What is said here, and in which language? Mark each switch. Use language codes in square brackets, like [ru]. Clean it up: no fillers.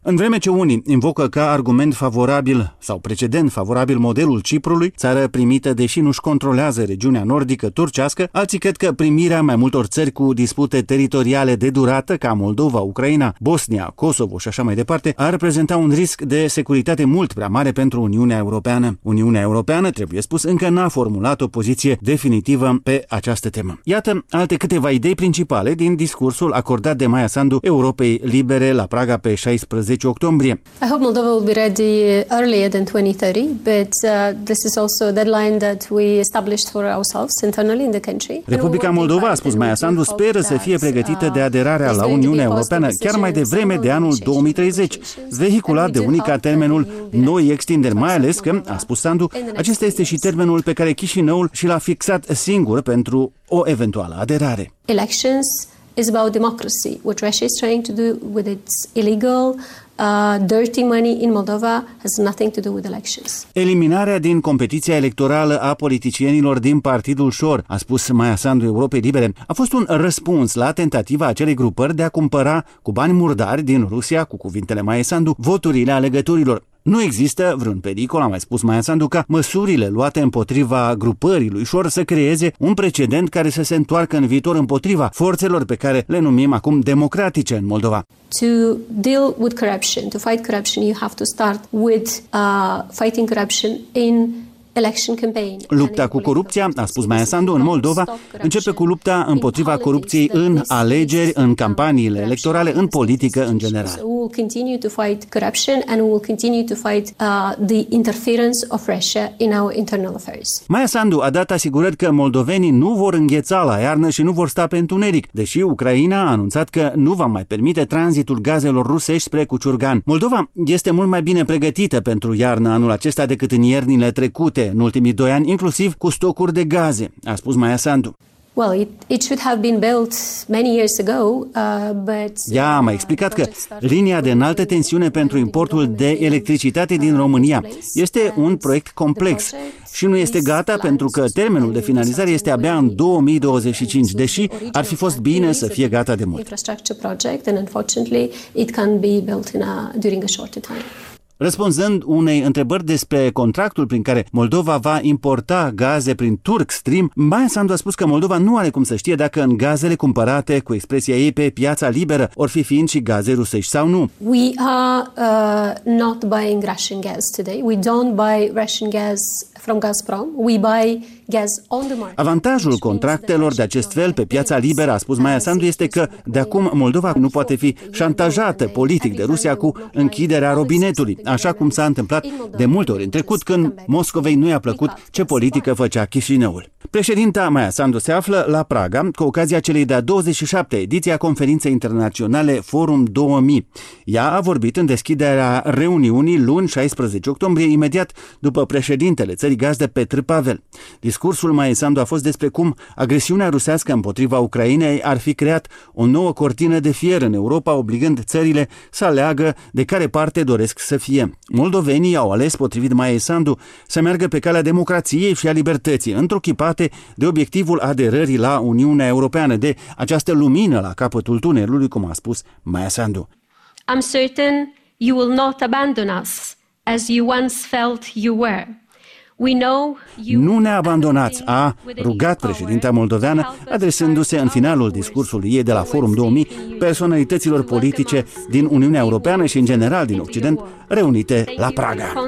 [ro] În vreme ce unii invocă ca argument favorabil sau precedent favorabil modelul Ciprului, țară primită deși nu-și controlează regiunea nordică turcească, alții cred că primirea mai multor țări cu dispute teritoriale de durată ca Moldova, Ucraina, Bosnia, Kosovo și așa mai departe, ar reprezenta un risc de securitate mult prea mare pentru Uniunea Europeană. Uniunea Europeană, trebuie spus, încă n-a formulat o poziție definitivă pe această temă. Iată alte câteva idei principale din discursul acordat de Maia Sandu Europei Libere la Praga pe 16 octombrie. [en] I hope Moldova will be ready earlier than 2030, but this is also a deadline that we established for ourselves internally in the country. [ro] Republica Moldova, a spus Maia Sandu, speră să fie pregătită de aderarea la Uniunea Europeană chiar mai devreme de anul 2030, vehiculat de unii ca termenul noi extinderi, mai ales că, a spus Sandu, acesta este și termenul pe care Chișinăul și l-a fixat singur pentru o eventuală aderare. [en] Elections is about democracy. What Russia is trying to do with its illegal dirty money in Moldova has nothing to do with elections. [ro] Eliminarea din competiția electorală a politicienilor din Partidul Șor, a spus Maia Sandu Europei Libere, a fost un răspuns la tentativa acelei grupări de a cumpăra cu bani murdari din Rusia, cu cuvintele Maia Sandu, voturile alegătorilor. Nu există vreun pericol, a mai spus Maia Sandu, ca măsurile luate împotriva grupării lui Șor să creeze un precedent care să se întoarcă în viitor împotriva forțelor pe care le numim acum democratice în Moldova. [en] To deal with corruption, to fight corruption, you have to start with fighting corruption in election campaign. [ro] Lupta cu corupția, a spus Maia Sandu, în Moldova, începe cu lupta împotriva corupției în alegeri, în campaniile electorale, în politică în general. [en] We will continue to fight corruption and we will continue to fight the interference of Russia in our internal affairs. [ro] Maia Sandu a dat asigurări că moldovenii nu vor îngheța la iarnă și nu vor sta pe întuneric, deși Ucraina a anunțat că nu va mai permite tranzitul gazelor rusești spre Cuciurgan. Moldova este mult mai bine pregătită pentru iarnă anul acesta decât în iernile trecute. în ultimii doi ani, inclusiv cu stocuri de gaze, a spus Maia Sandu. [en] Well, it should have been built many years ago, but [ro] ea a mai explicat că linia de înaltă tensiune pentru importul de electricitate din România este un proiect complex și nu este gata pentru că termenul de finalizare este abia în 2025, deși ar fi fost bine să fie gata de mult. [en] Infrastructure project and unfortunately it can be built in during a shorter time. [ro] Răspunzând unei întrebări despre contractul prin care Moldova va importa gaze prin Turk Stream, Maia Sandu a spus că Moldova nu are cum să știe dacă în gazele cumpărate, cu expresia ei, pe piața liberă, or fi fiind și gaze rusești sau nu. [en] We are not buying Russian gas today. We don't buy Russian gas from Gazprom. We buy gas on the market. [ro] Avantajul contractelor de acest fel pe piața liberă, a spus Maia Sandu, este că de acum Moldova nu poate fi șantajată politic de Rusia cu închiderea robinetului, așa cum s-a întâmplat de multe ori în trecut, când Moscovei nu i-a plăcut ce politică făcea Chișinăul. Președinta Maia Sandu se află la Praga cu ocazia celei de-a 27-a ediție a conferinței internaționale Forum 2000. Ea a vorbit în deschiderea reuniunii luni 16 octombrie, imediat după președintele țării gazde Petr Pavel. Discursul Maia Sandu a fost despre cum agresiunea rusească împotriva Ucrainei ar fi creat o nouă cortină de fier în Europa, obligând țările să aleagă de care parte doresc să fie. Moldovenii au ales, potrivit Maia Sandu, să meargă pe calea democrației și a libertății, întruchipate de obiectivul aderării la Uniunea Europeană, de această lumină la capătul tunelului, cum a spus Maia Sandu. [en] I'm certain you will not abandon us as you once felt you were. [ro] Nu ne abandonați, a rugat președinta moldoveană, adresându-se în finalul discursului ei de la Forum 2000 personalităților politice din Uniunea Europeană și în general din Occident, reunite la Praga.